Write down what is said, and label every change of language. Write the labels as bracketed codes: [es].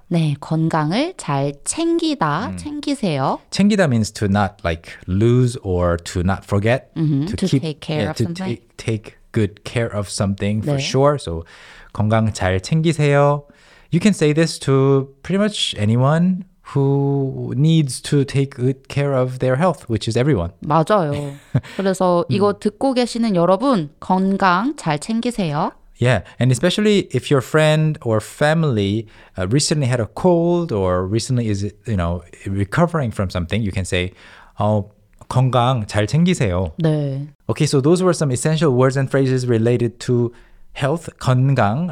[ko] 네, 건강을 잘 챙기다, 챙기세요. [en] 챙기다 means to not like lose or to not forget. To take good care of something for sure. So [ko] 건강 잘 챙기세요. [en] You can say this to pretty much anyone who needs to take good care of their health, which is everyone. [ko] 맞아요. 그래서 이거 듣고 계시는 여러분, 건강 잘 챙기세요. [en] Yeah, and especially if your friend or family recently had a cold or recently is, you know, recovering from something, you can say, [ko] 건강 잘 챙기세요. 네. [en] Okay, so those were some essential words and phrases related to health, 건강.